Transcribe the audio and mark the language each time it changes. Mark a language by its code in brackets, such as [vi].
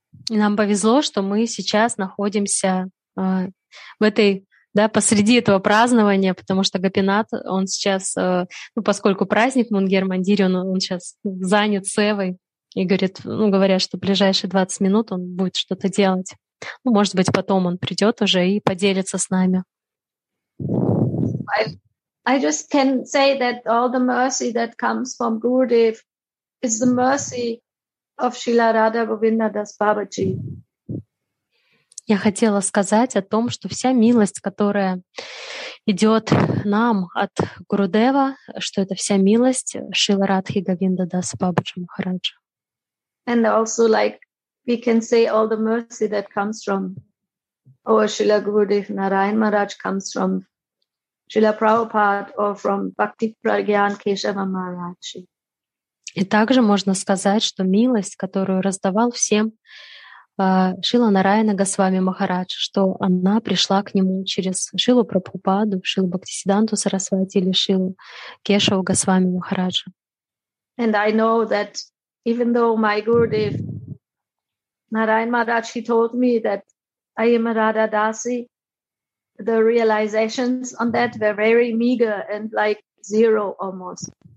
[ru] Нам повезло, что мы сейчас находимся в этой, да, посреди этого празднования, потому что Гопинат, он сейчас, ну, поскольку праздник Мунгер Мандири, он сейчас занят севой и говорит, ну, говорят, что ближайшие 20 минут он будет что-то делать. Ну, может быть, потом он придет уже и поделится с нами. [en] I just can say that all the mercy that comes from Gurudev is the mercy of Srila Radha Govinda Das Babaji. [ru] Я хотела сказать о том, что вся милость, которая идет нам от Гурудева, что это вся милость Шрила Радхи Говинда Дас Бабаджи Махараджа. [en] And also, like, we can say all the mercy that comes from our Srila Gurudev Narayan Maharaj comes from Srila Prabhupada or from Bhakti Pragyan Keshava Maharaji. [ru] И также можно сказать, что милость, которую раздавал всем Шрила Нараяна Госвами Махарадж, что она пришла к нему через Шрилу Прабхупаду, Шрилу Бхактисиддханту Сарасвати или Шрилу Кешаву Госвами Махараджа. [en] And I know that even though my Gurudev Narayan Maharaj, he told me that I am a Radha Dasi, the realizations on that were very meager and like zero almost.